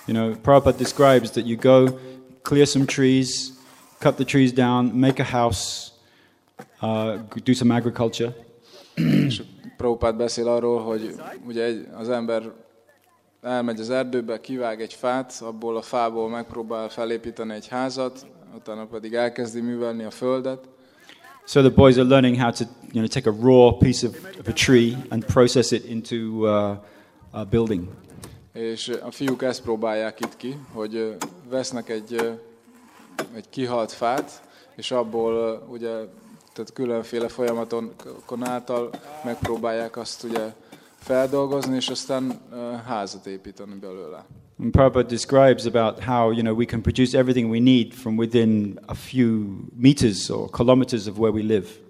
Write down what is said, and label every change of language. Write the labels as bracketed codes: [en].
[en] You know, Prabhupada describes that you go clear some trees, cut the trees down, make a house, do some agriculture. [hu] És Prabhupád beszél arról, hogy ugye az ember elmegy az erdőbe, kivág egy fát, abból a fából megpróbál felépíteni egy házat, utána pedig elkezdi művelni a földet. [en] So the boys are learning how to, you know, take a raw piece of a tree and process it into building. [hu] És a fiúk ezt próbálják itt ki, hogy vesznek egy kihalt fát, és abból ugye, tehát különféle folyamaton által megpróbálják azt ugye feldolgozni, és aztán házat építeni belőle. [en] And Prabhupada describes about how, you know, we can produce everything we need from within a few meters or kilometers of where we live.